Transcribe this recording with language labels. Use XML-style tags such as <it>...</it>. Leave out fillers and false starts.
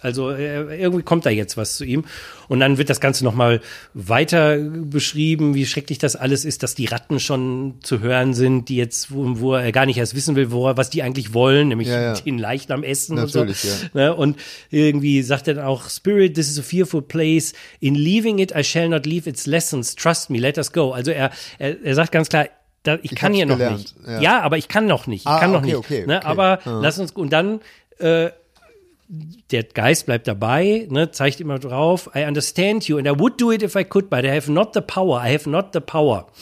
<de>Also irgendwie kommt da jetzt was zu ihm. Und dann wird das Ganze nochmal weiter beschrieben, wie schrecklich das alles ist, dass die Ratten schon zu hören sind, die jetzt, wo er gar nicht erst wissen will, was die eigentlich wollen, nämlich den Leichnam essen. Natürlich, und so. Ja. Und irgendwie sagt er dann auch,</de> <en>Spirit, this is a fearful place. In leaving it, I shall not leave its lessons. Trust me, let us go.</en> <de>Also er sagt ganz klar, ich kann hier gelernt. Noch nicht. Ja, aber ich kann noch nicht. Aber lass uns, und dann der Geist bleibt dabei, ne, zeigt immer drauf,</de> <en>I understand you and I would do it if I could, but I have not the power.</en>